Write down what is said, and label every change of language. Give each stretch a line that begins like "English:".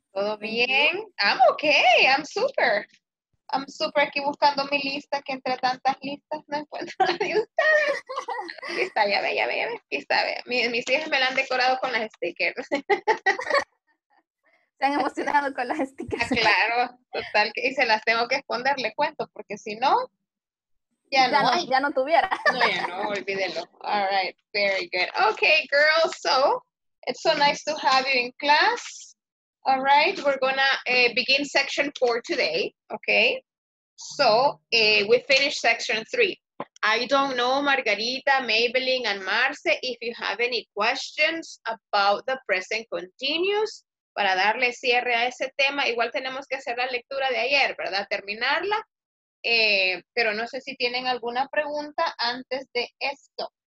Spanish: ¿Todo bien?
English: I'm okay. I'm super. I'm super
Spanish: aquí buscando mi lista, que entre tantas listas no encuentro la de ustedes. Aquí está, ya ve. Aquí está, ve. Mis hijas me la han decorado con las stickers. Están emocionado con las stickers. Claro, total, y se las tengo que esconder, le cuento, porque si no, ya no tuviera. No, ya no, olvídelo.
English: All right, very good. Okay, girls, so, it's so nice to have you in class. All right, we're gonna begin section 4 today, okay? So, we finished section 3. I don't know, Margarita, Maybelline, and Marce, if you have any questions about the present continuous.
Spanish: Para darle cierre a ese tema, igual tenemos que hacer la lectura de ayer, ¿verdad? Terminarla. Pero no sé si tienen alguna pregunta antes de esto.